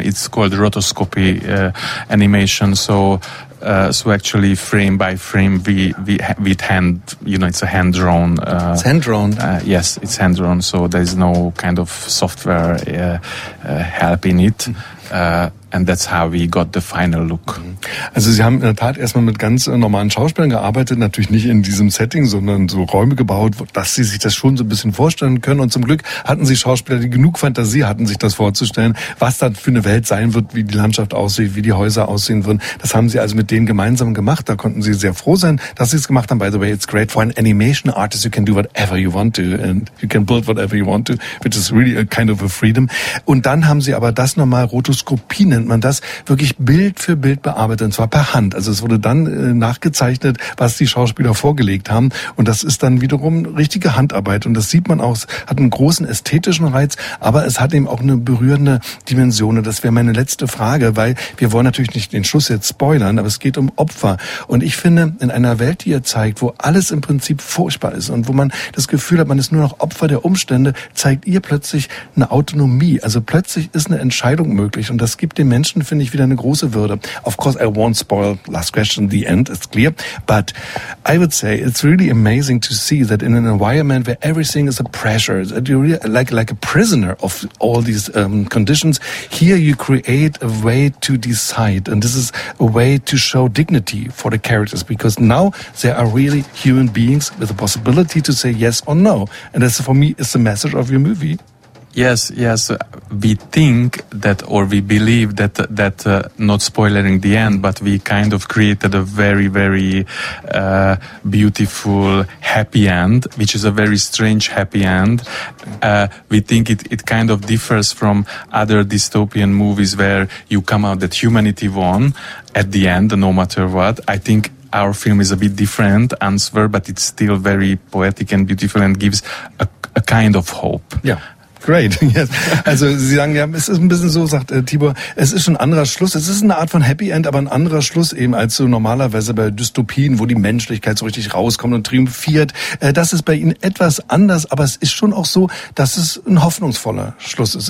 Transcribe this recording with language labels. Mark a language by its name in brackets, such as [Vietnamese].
[English] It's called rotoscopy animation, so actually frame by frame we with hand, you know, it's a hand drawn yes, it's hand drawn, so there's no kind of software help in it. And that's how we got the final look. [German] Also sie haben in der Tat erstmal mit ganz normalen Schauspielern gearbeitet, natürlich nicht in diesem Setting, sondern so Räume gebaut, dass sie sich das schon so ein bisschen vorstellen können. Und zum Glück hatten sie Schauspieler, die genug Fantasie hatten, sich das vorzustellen, was dann für eine Welt sein wird, wie die Landschaft aussieht, wie die Häuser aussehen würden. Das haben sie also mit denen gemeinsam gemacht. Da konnten sie sehr froh sein, dass sie es gemacht haben. [English] By the way, it's great for an animation artist. You can do whatever you want to and you can build whatever you want to, which is really a kind of a freedom. [German] Und dann haben sie aber das nochmal Rotoskopie, nennt man das, wirklich Bild für Bild bearbeitet, und zwar per Hand. Also es wurde dann nachgezeichnet, was die Schauspieler vorgelegt haben, und das ist dann wiederum richtige Handarbeit, und das sieht man auch, hat einen großen ästhetischen Reiz, aber es hat eben auch eine berührende Dimension. Und das wäre meine letzte Frage, weil wir wollen natürlich nicht den Schluss jetzt spoilern, aber es geht um Opfer, und ich finde, in einer Welt, die ihr zeigt, wo alles im Prinzip furchtbar ist und wo man das Gefühl hat, man ist nur noch Opfer der Umstände, zeigt ihr plötzlich eine Autonomie. Also plötzlich ist eine Entscheidung möglich, und das gibt den Menschen, finde ich, wieder eine große Würde. [English] Of course, I won't spoil last question, the end, it's clear. But I would say it's really amazing to see that in an environment where everything is a pressure, that you're like a prisoner of all these conditions, here you create a way to decide. And this is a way to show dignity for the characters, because now there are really human beings with the possibility to say yes or no. And this, for me, is the message of your movie. Yes. We think that, or we believe that not spoiling the end, but we kind of created a very, very beautiful happy end, which is a very strange happy end. We think it kind of differs from other dystopian movies where you come out that humanity won at the end, no matter what. I think our film is a bit different answer, but it's still very poetic and beautiful and gives a kind of hope. Yeah. Great, yes. [German] Also Sie sagen, ja, es ist ein bisschen so, sagt Tibor, es ist ein anderer Schluss, es ist eine Art von Happy End, aber ein anderer Schluss eben als so normalerweise bei Dystopien, wo die Menschlichkeit so richtig rauskommt und triumphiert. Das ist bei Ihnen etwas anders, aber es ist schon auch so, dass es ein hoffnungsvoller Schluss ist.